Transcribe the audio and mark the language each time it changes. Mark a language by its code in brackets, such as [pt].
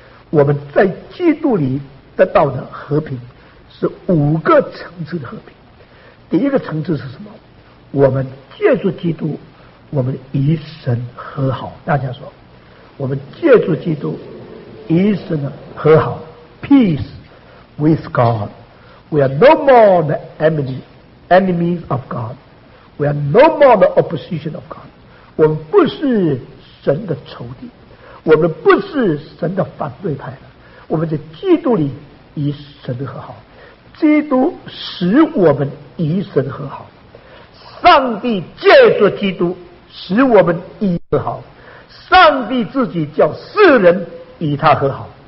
[zh] 我们在基督里得到的和平是五个层次的和平。第一个层次是什么？我们借助基督，我们与神和好。大家说，我们借助基督与神和好。 [en] Peace with God. We are no more the enemies of God. We are no more the opposition of God. [zh] 我们不是神的仇敌，我们不是神的反对派了。我们在基督里与神和好，基督使我们与神和好，上帝借助基督使我们与和好，上帝自己叫世人与他和好。